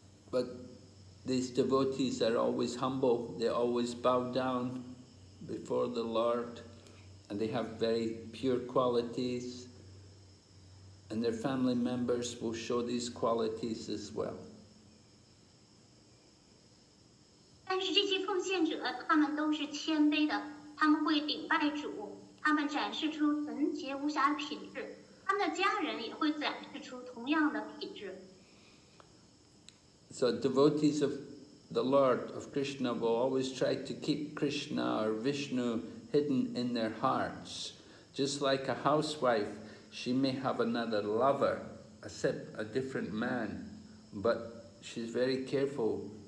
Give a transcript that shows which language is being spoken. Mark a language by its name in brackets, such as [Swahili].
[English] But these devotees are always humble, they always bow down before the Lord, and they have very pure qualities, and their family members will show these qualities as well. [Chinese] 但是这些奉献者，他们都是谦卑的，他们会顶拜主，他们展示出纯洁无瑕的品质，他们的家人也会展示出同样的品质。 [English] So devotees of the Lord of Krishna will always try to keep Krishna or Vishnu hidden in their hearts. Just like a housewife, she may have another lover, except a different man, but she's very careful.